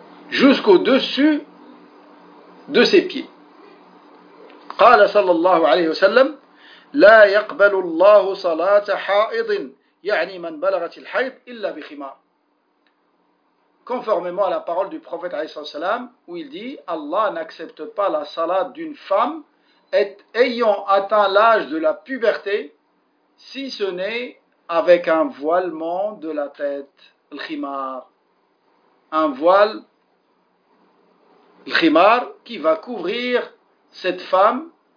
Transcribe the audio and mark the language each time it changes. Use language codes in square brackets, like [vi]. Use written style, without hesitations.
[fr] Jusqu'au-dessus de ses pieds. [ar] قال صلى الله عليه وسلم لا يقبل الله صلاة حائض يعني من بلغت الحيض إلا بخمار. [fr] Conformément à la parole du prophète [ar] عليه السلام, [fr] où il dit Allah n'accepte pas la salat d'une femme ayant atteint l'âge de la puberté si ce n'est avec un voilement de la tête, الخمار, un voile, الخمار, qui va couvrir cette femme